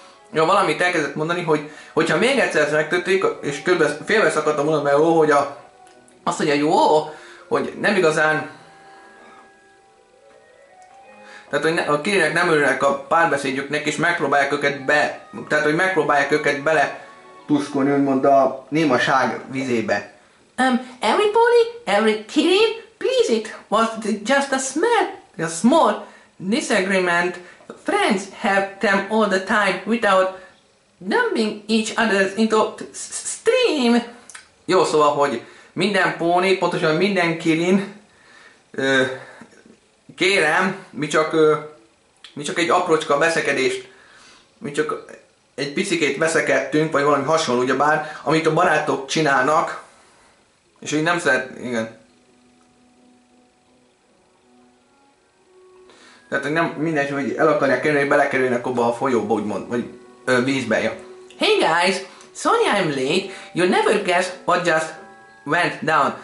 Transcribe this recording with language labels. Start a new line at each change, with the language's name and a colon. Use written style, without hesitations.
Hungarian: Jó, valamit elkezdett mondani, hogyha még egyszer ezt megtörténik, és félbe szakadtam mondani, mert azt mondja, hogy hogy nem igazán... Tehát, hogy a kirinek nem örülnek a párbeszédjüknek, és megpróbálják őket be... Tehát, hogy megpróbálják őket bele tuszkolni, úgymond a némaság vizébe.
English: Everybody, every kirin, please, it was just a small disagreement. Friends have them all the time without dumping each other into stream.
Hungarian: Jó, szóval, hogy minden póni, pontosan minden kirin, kérem, mi csak egy aprócska veszekedést, mi csak egy picikét veszekedtünk, vagy valami hasonló, ugyebár, amit a barátok csinálnak, és így nem szeret, igen. Tehát, hogy nem mindegy, hogy el akarják kerülni, hogy belekerülnek abba a folyóba, úgymond, vagy vízbe, ja.
English: Hey guys, sorry I'm late, you never guess what just went down.